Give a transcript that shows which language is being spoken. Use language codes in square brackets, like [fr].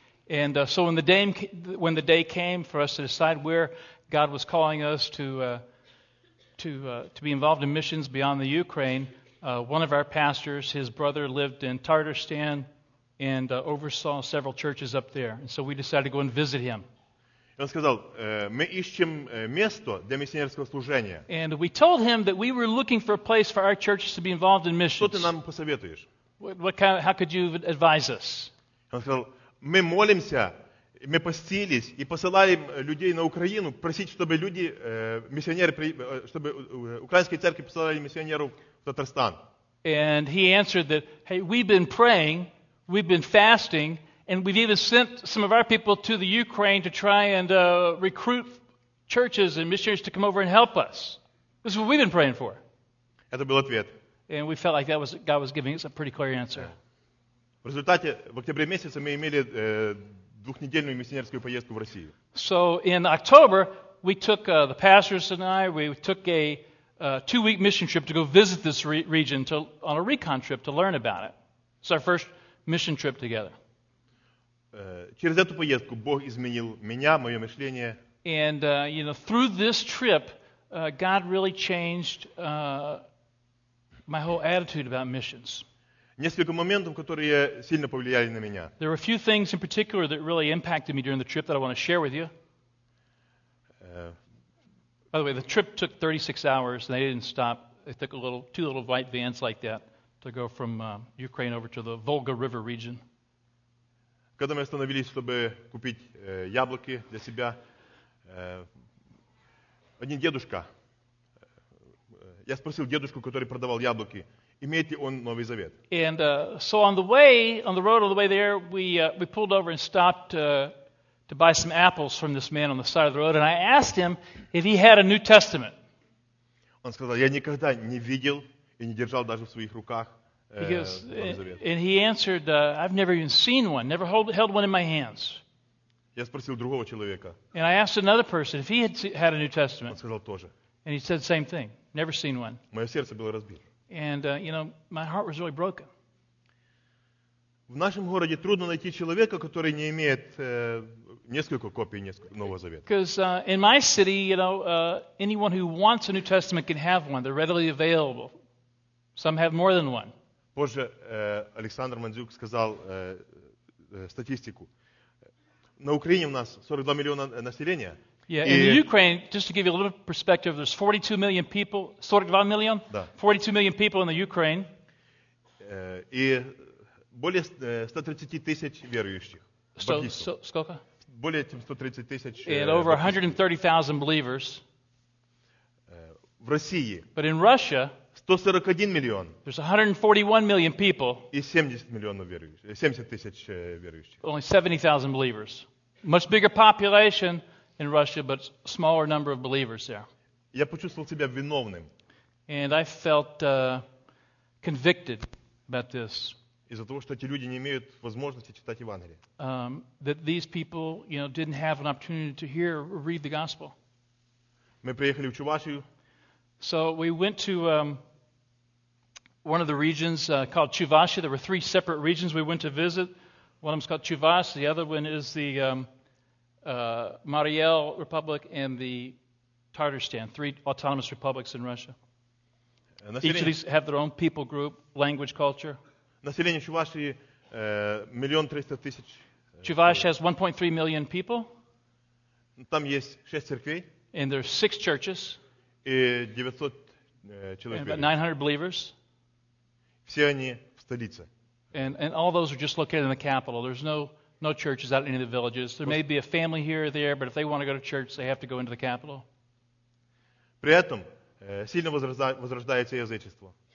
[en] And so when the day came for us to decide where God was calling us to be involved in missions beyond the Ukraine, one of our pastors, his brother, lived in Tatarstan, and oversaw several churches up there. And so we decided to go and visit him. [ru] Он сказал, мы ищем место для миссионерского служения. [en] And we told him that we were looking for a place for our churches to be involved in missions. [ru] Что ты нам посоветуешь? [en] How could you advise us? [ru] Он сказал, мы молимся, мы постились и посылаем людей на Украину просить, чтобы люди, миссионеры, чтобы украинские церкви посылали миссионеров в Татарстан. [en] And he answered that, hey, we've been praying, we've been fasting, and we've even sent some of our people to the Ukraine to try and recruit churches and missionaries to come over and help us. This is what we've been praying for. [ru] Это был ответ. [en] And we felt like that was God was giving us a pretty clear answer. [ru] В результате в октябре месяце мы имели двухнедельную миссионерскую поездку в Россию. [en] So in October we took the pastors and I we took a two-week mission trip to go visit this region to on a recon trip to learn about it. It's our first mission trip together. [ru] Через эту поездку Бог изменил меня, мое мышление. [en] And you know, through this trip, God really changed my whole attitude about missions. [ru] Несколько моментов, которые сильно повлияли на меня. [en] There were a few things in particular that really impacted me during the trip that I want to share with you. By the way, the trip took 36 hours, and they didn't stop. They took two little white vans like that to go from Ukraine over to the Volga River region. [ru] Когда мы остановились, чтобы купить яблоки для себя, один дедушка, я спросил дедушку, который продавал яблоки, имеет ли он Новый Завет. [en] And so on the way, on the road, on the way there, we pulled over and stopped to buy some apples from this man on the side of the road, and I asked him if he had a New Testament. [ru] Он сказал, я никогда не видел и не держал даже в своих руках. [en] And he answered, I've never even seen one, never held one in my hands. [ru] Я спросил другого человека. [en] And I asked another person if he had had a New Testament. [ru] Он сказал тоже. [en] And he said the same thing, never seen one. [ru] Мое сердце было разбито. [en] And, you know, my heart was really broken. [ru] В нашем городе трудно найти человека, который не имеет несколько копий Нового Завета. [en] Because in my city, you know, anyone who wants a New Testament can have one. They're readily available. Some have more than one. [ru] Позже Александр Мандзюк сказал статистику. На Украине у нас 42 миллиона населения. [en] Yeah, in the Ukraine, just to give you a little perspective, there's 42 million people, 42 million? [ru] Да. [en] 42 million people in the Ukraine. [ru] И более 130 тысяч верующих. Сколько? Более чем 130 тысяч. [en] And over 130,000 believers. [ru] В России. [en] But in Russia, [ru] 141 миллион. [en] There's 141 million people. [ru] И 70 миллионов верующих. 70 тысяч верующих. [en] Only 70,000 believers. Much bigger population in Russia, but smaller number of believers there. [ru] Я почувствовал себя виновным. [en] And I felt convicted about this. [ru] Из-за того, что эти люди не имеют возможности читать Евангелие. [en] That these people, you know, didn't have an opportunity to hear or read the gospel. [ru] Мы приехали в Чувашию. [en] So we went to one of the regions called Chuvashia. There were three separate regions we went to visit. One of them is called Chuvash. The other one is the Mariel Republic and the Tatarstan, three autonomous republics in Russia. Each of these have their own people group, language, culture. [ru] Население Чувашии 1,300,000. [en] Chuvash has 1.3 million people. [ru] Там есть 6 церквей. [en] And there are 6 churches. [ru] И 900 человек. [en] And about 900 believers. [ru] Все они в столице. [en] And all those are just located in the capital. There's no churches out in any of the villages. There may be a family here or there, but if they want to go to church, they have to go into the capital. [ru] При этом сильно возрождается язычество.